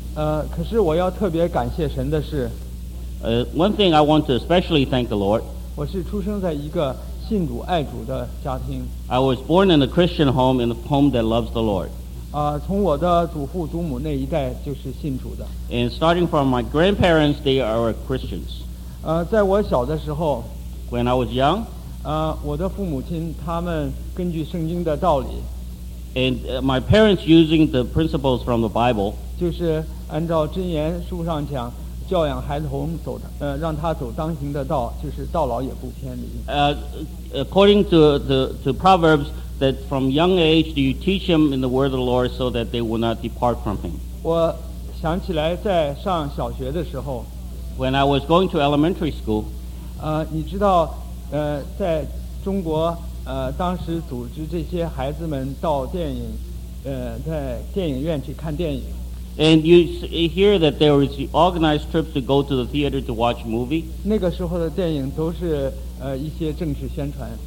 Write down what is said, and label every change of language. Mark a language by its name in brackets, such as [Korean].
[English] One thing I want to especially thank the Lord. I was born in a Christian home, in a home that loves the Lord. And starting from my grandparents, they are Christians. [Chinese] 在我小的时候, [English] when I was young, [Chinese] 我的父母亲他们根据圣经的道理, [English] and my parents using the principles from the Bible, [Chinese] 就是按照真言书上讲, 教养孩子红走的，让他走当行的道, 就是道老也不偏离。 [English] According to the Proverbs, that from young age you teach him in the word of the Lord so that they will not depart from him. [Chinese] 我想起来在上小学的时候, [English] when I was going to elementary school, [Chinese] 你知道，在中国，当时组织这些孩子们到电影，在电影院去看电影。 [English] And you hear that there is organized trips to go to the theater to watch movie. [Chinese] 那个时候的电影都是一些政治宣传。